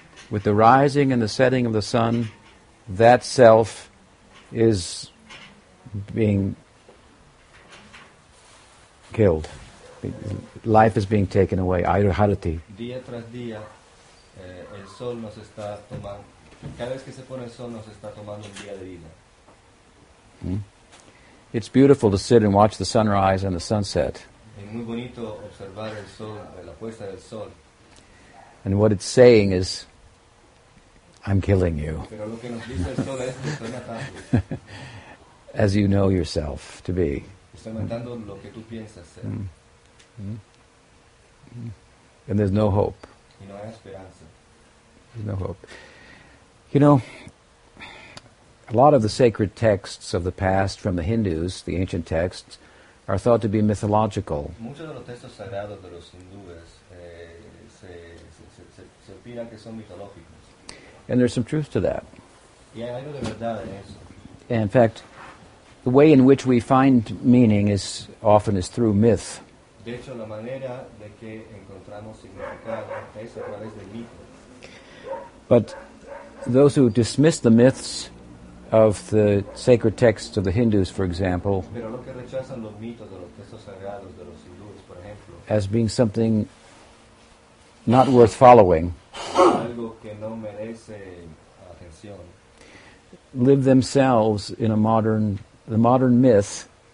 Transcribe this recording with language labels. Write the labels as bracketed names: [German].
[English] With the rising and the setting of the sun, that self is being killed. Life is being taken away. Ayurharati. [Spanish] Día tras día, el sol nos está tomando. Cada vez que se pone el sol, nos está tomando el día de vida. [English] It's beautiful to sit and watch the sunrise and the sunset. [Spanish] Es muy bonito observar el sol, la puesta del sol. [English] And what it's saying is, I'm killing you. [Spanish] Pero lo que nos dice el sol es, estoy matando. [English] As you know yourself to be. [Spanish] Estoy matando lo que tú piensas ser. [English] And there's no hope. [Spanish] Y no hay esperanza. [English] There's no hope. You know, a lot of the sacred texts of the past from the Hindus, the ancient texts, are thought to be mythological. [Spanish] Muchos de los textos sagrados de los hindúes se opinan que son mitológicos. [English] And there's some truth to that. [Spanish] Y hay algo de verdad en eso. [English] And in fact, the way in which we find meaning is often is through myth. [Spanish] De hecho, la manera de que encontramos significado es a través del mito. [English] But those who dismiss the myths of the sacred texts of the Hindus, for example, [Spanish] pero lo que rechazan los mitos de los textos sagrados de los hindúes, por ejemplo, [English] as being something not worth following, [Spanish] algo que no merece atención, [English] live themselves in the modern myth,